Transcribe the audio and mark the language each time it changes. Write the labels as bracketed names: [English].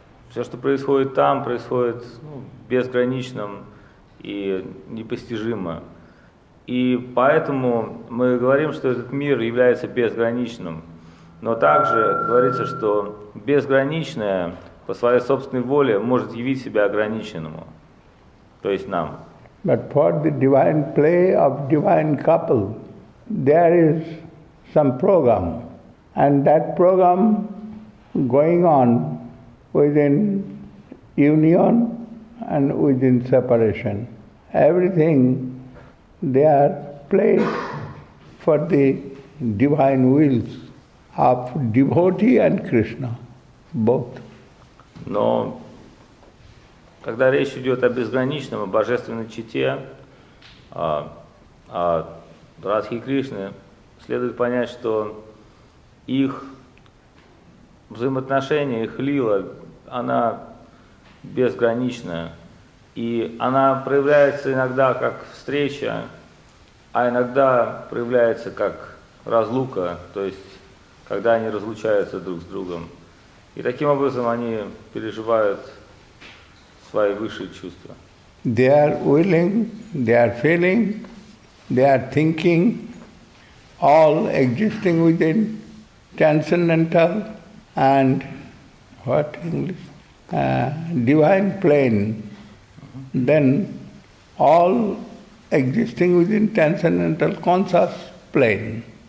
[Russian] Все, что происходит там, происходит безграничным и непостижимо. И поэтому мы говорим, что этот мир является безграничным. Но также говорится, что безграничное по своей собственной воле может явить себя ограниченному, то есть нам. [English] But for the divine play of divine couple, there is some program, and that program going on within union and within separation. Everything they are played for the divine wills of devotee and Krishna, both. [Russian] Но когда речь идет о безграничном, о божественной чите, о Радхе Кришне, следует понять, что их взаимоотношения, их лила, она безграничная. И она проявляется иногда как встреча, а иногда проявляется как разлука, то есть когда они разлучаются друг с другом. И таким образом они переживают свои высшие чувства. [English] They are willing, they are feeling, they are thinking, all existing within transcendental and what English? Divine plane. Then all existing within transcendental conscious plane.